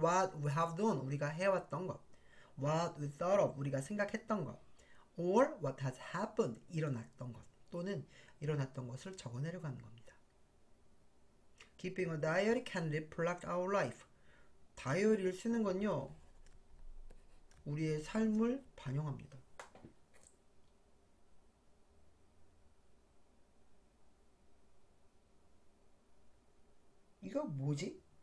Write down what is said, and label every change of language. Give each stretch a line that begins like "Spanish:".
English: What we have done
Korean: 우리가 해왔던 것.
English: What we thought of
Korean: 우리가 생각했던 것.
English: Or what has happened
Korean: 일어났던 것 또는 일어났던 것을 적어내려고 하는 겁니다.
English: Keeping a diary can reflect our life.
Korean: 다이어리를 쓰는 건요 우리의 삶을 반영합니다. 이거 뭐지?